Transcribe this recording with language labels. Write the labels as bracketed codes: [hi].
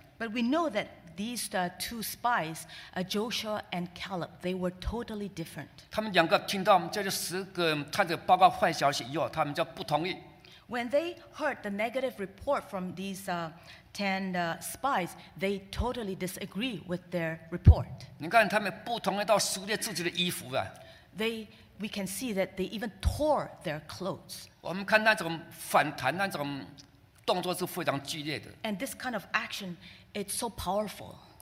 [en] But we know that these two spies, Joshua and Caleb, they were totally different. [zh] 他们两个听到这十个探子报告坏消息以后，他们就不同意。 [en] When they heard the negative report from these 10 spies, they totally disagree with their report. [zh] 你看他们不同意到撕裂自己的衣服啊。 [en] We can see that they even tore their clothes. [zh] 我们看那种反弹那种动作是非常剧烈的。 [en] And this kind of action, it's so powerful.